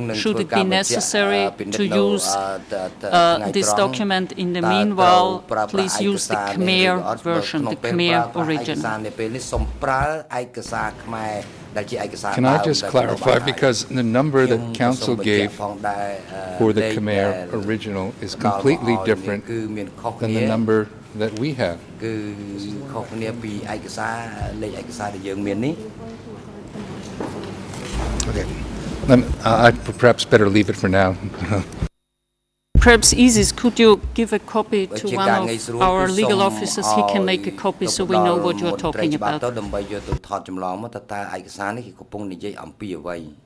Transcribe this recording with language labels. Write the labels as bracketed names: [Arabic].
[English] Should it be necessary to use this document in the meanwhile, please use the Khmer version, the Khmer original. Can I just clarify? Because the number that Council gave for the Khmer original is completely different than the number that we have. [Thai] คือข้อเนี้ยปีเอกสารเลขเอกสารที่ยังมีนี้โอเค [English] I perhaps better leave it for now Perhaps Isis, could you give a copy to one of our legal officers? He can make a copy so we know what you're talking about. [Khmer] ដើម្បីយកទៅថតចម្លងមកតើតើឯកសារនេះគឺកំពុងនិយាយអំពីអ្វី